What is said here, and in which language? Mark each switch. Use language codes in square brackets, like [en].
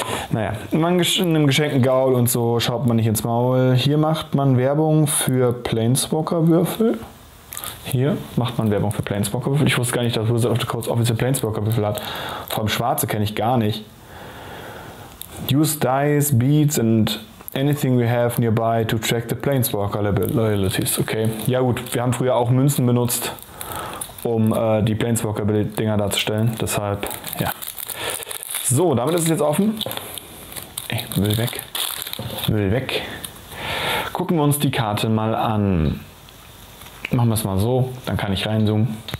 [de] Naja, man in einem geschenkten Gaul und so schaut man nicht ins Maul. Hier macht man Werbung für Planeswalker-Würfel. Hier macht man Werbung für Planeswalker-Würfel. Ich wusste gar nicht, dass Wizard of the Coast offiziell Planeswalker-Würfel hat. Vor allem schwarze kenne ich gar nicht. [en] Use dice, beads and anything we have nearby to track the Planeswalker Loyalties. Okay. [de] Ja gut, wir haben früher auch Münzen benutzt, um die Planeswalker-Dinger darzustellen. Deshalb, ja. So, damit ist es jetzt offen. Ey, Müll weg. Müll weg. Gucken wir uns die Karte mal an. Machen wir es mal so, dann kann ich reinzoomen.